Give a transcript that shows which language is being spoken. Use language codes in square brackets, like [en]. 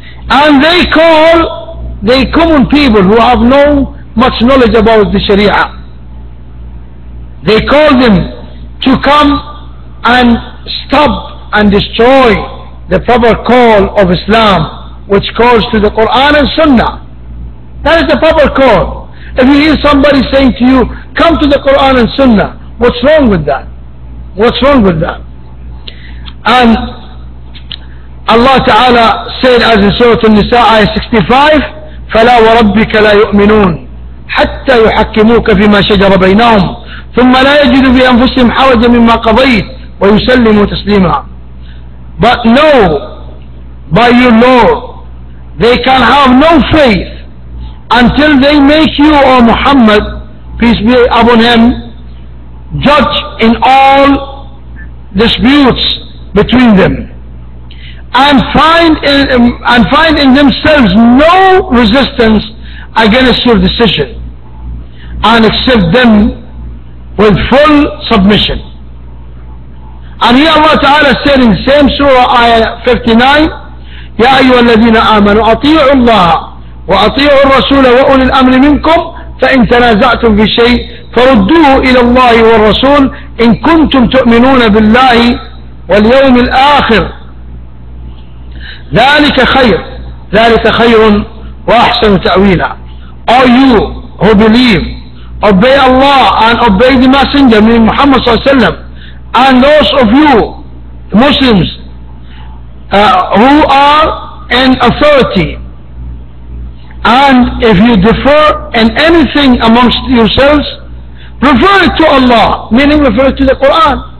[en] And they call the common people who have no much knowledge about the Sharia, they call them to come and stop and destroy the proper call of Islam, which calls to the Quran and Sunnah. That is the proper call. If you hear somebody saying to you, come to the Quran and Sunnah, what's wrong with that? What's wrong with that? And Allah Ta'ala said, as in Surah An-Nisa, ayah 65, [ar] فَلَا وَرَبِّكَ لَا يُؤْمِنُونَ حَتَّى يُحَكِّمُوكَ فِي مَا شَجَرَ بَيْنَهُمْ ثُمَّ لَا يَجِدُ فِي أَنفُسِهِمْ حَرَجًا مِمَّا قَضَيْتَ وَيُسَلِّمُوا تَسْلِيمًا. [en] But know by your Lord, they can have no faith until they make you, O Muhammad, peace be upon him, judge in all disputes between them, and find in themselves no resistance against your decision, and accept them with full submission. And here Allah Ta'ala said in the same surah, ayah 59, [ar] يَا أَيُّهَا الَّذِينَ آمَنُوا أَطِيعُوا اللَّهَ وأطيعوا الرسول وأولي الأمر منكم فإن تنازعتم في شيء فردوه إلى الله والرسول إن كنتم تؤمنون بالله واليوم الآخر ذلك خير ذلك خير وأحسن تأويلا. [en] Are you who believe, obey Allah and obey the messenger meaning Muhammad [ar] صلى الله عليه وسلم, [en] and those of you Muslims who are in authority, and if you differ in anything amongst yourselves, refer it to Allah, meaning refer it to the Quran,